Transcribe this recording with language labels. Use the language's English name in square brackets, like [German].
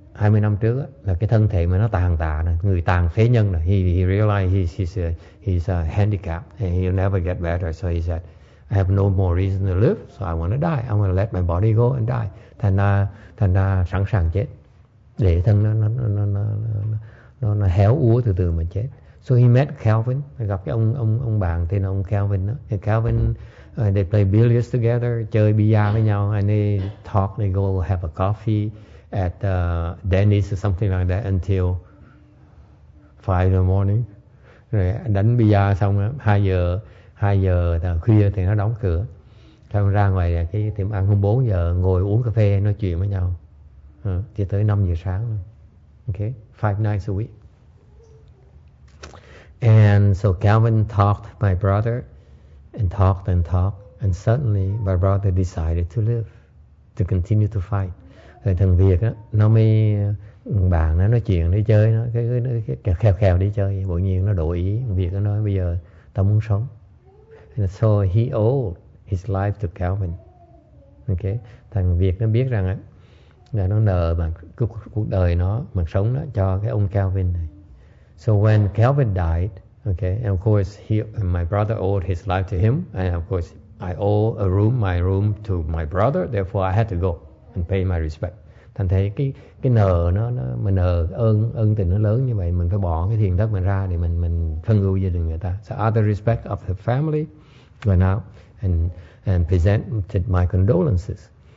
[Vietnamese] 20 năm trước đó, là cái thân thể mà nó tàn tạ, người tàn phế nhân rồi. [English] He realized he's a handicap and he'll never get better. So he said, I have no more reason to live, so I want to die. I'm going to let my body go and die. [Vietnamese] Thành ra sẵn sàng chết để thân nó héo úa từ từ mà chết. [English] So he met Calvin, [Vietnamese] gặp cái ông bạn tên là ông Calvin đó. [English] And Calvin, they play billiards together, [Vietnamese] chơi bia với nhau, [English] and they talk, they go have a coffee at Denny's or something like that until 5 in the morning. [Vietnamese] Rồi đánh bia xong 2 giờ khuya thì nó đóng cửa. Xong ra ngoài cái tiệm ăn hôm 4 giờ ngồi uống cà phê nói chuyện với nhau. Thì tới 5 giờ sáng. Okay, [English] 5 nights a week. And so Calvin talked to my brother and talked and talked, and suddenly my brother decided to live, to continue to fight. [Vietnamese] Rồi thằng Việt á, nó mới bạn nó nói chuyện, nó chơi, nó cái khèo khèo đi chơi, bỗng nhiên nó đổi ý. Việt nó nói bây giờ tao muốn sống. [English] And so he owed his life to Calvin. [Vietnamese] Okay, thằng Việt nó biết rằng á, là nó nợ bằng cuộc đời nó, mạng sống nó cho cái ông Calvin này. [English] So when Calvin died, okay, and of course my brother owed his life to him, and of course I owe my room to my brother, therefore I had to go and pay my respect. [Vietnamese] Thành thế cái nợ nó mình nợ ơn tình nó lớn như vậy, mình phải bỏ cái thiền thất mình ra để mình phân ưu gia đình người ta. [English] So out of respect of the family, went out and presented my condolences.